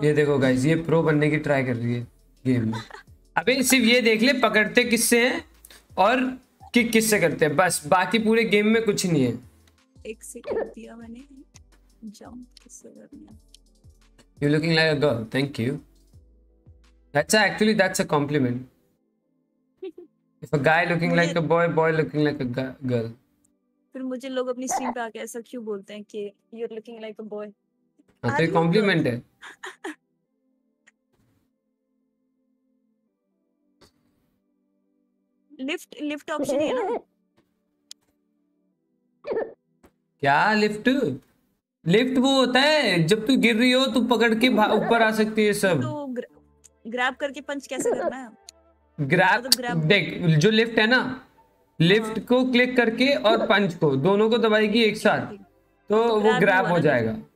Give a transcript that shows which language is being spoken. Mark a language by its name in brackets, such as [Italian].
[Hindi] ये देखो गाइस, ये प्रो बनने की ट्राई कर रही है गेम में। अबे सिर्फ ये देख ले पकड़ते किससे हैं और किक किससे करते हैं, बस बाकी पूरे गेम में कुछ नहीं है। एक सेकंड दिया मैंने, जंप किससे करना। [English] You looking like a girl, thank you, that's actually that's a compliment. If a guy looking like a boy, boy looking like a girl. [Hindi] फिर मुझे लोग अपनी स्ट्रीम पे आके ऐसा क्यों बोलते हैं कि [English] you're looking like a boy? [Hindi] हाँ तो ये compliment है। Lift, lift option है ना? क्या lift? Lift वो होता है जब तू गिर रही हो तू पकड़ के ऊपर आ सकती है सब। तो grab करके punch कैसे करना है? ग्रैब देख, जो लिफ्ट है ना, लिफ्ट को क्लिक करके और पंच को दोनों को दबाएगी एक साथ तो वो ग्रैब हो जाएगा।